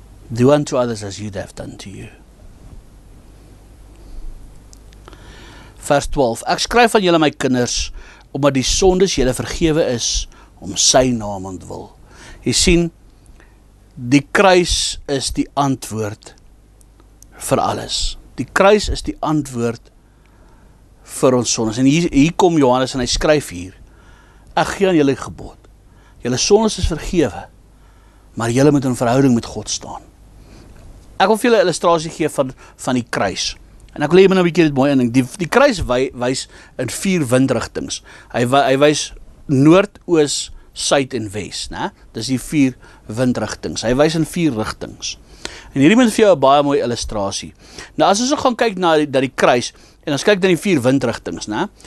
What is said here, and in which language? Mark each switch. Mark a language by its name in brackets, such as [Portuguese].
[English] Do unto others as you'd have done to you. [Afrikaans] Vers 12. Ek skryf aan julle my kinders, omdat die sondes julle vergewe is, om sy naam ontwil. Jy sien, die kruis is die antwoord vir alles. Die kruis is die antwoord vir ons sondes. En hier kom Johannes en hy skryf hier. Ek gee aan julle gebod. Julle sondes is vergewe, maar julle moet in verhouding met God staan. Ek wil vir julle 'n illustrasie gee van die kruis. En ek wil hê jy moet nou 'n bietjie dit mooi indink. Die kruis wys in 4 windrigtings. Hy wys noord, oos, suid en wes, né? Dis die 4 windrigtings. Hy wys in 4 rigtings. En hierdie moet vir jou 'n baie mooi illustrasie. Nou as ons gaan kyk na die kruis en ons kyk na die 4 windrigtings, né?